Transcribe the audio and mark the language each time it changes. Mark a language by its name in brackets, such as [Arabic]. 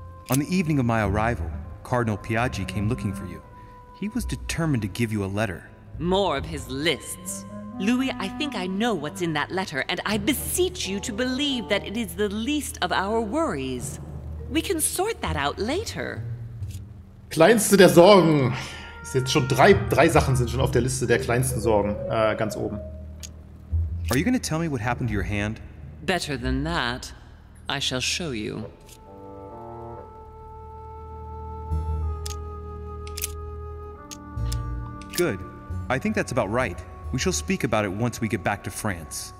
[English] On the evening of my arrival, Cardinal Piaggi came looking for you. He was determined to give you a letter. More of his lists. Louis, I think I know what's in that letter, and I beseech you to believe that it is the least of our worries. We can sort that out later. [German] Kleinste der Sorgen. Ist jetzt schon drei Sachen sind schon auf der Liste der kleinsten Sorgen, ganz oben. [English] Are you going to tell me what happened to your hand? Better than that, I shall show you. Good. I think that's about right. We shall speak about it once we get back to France.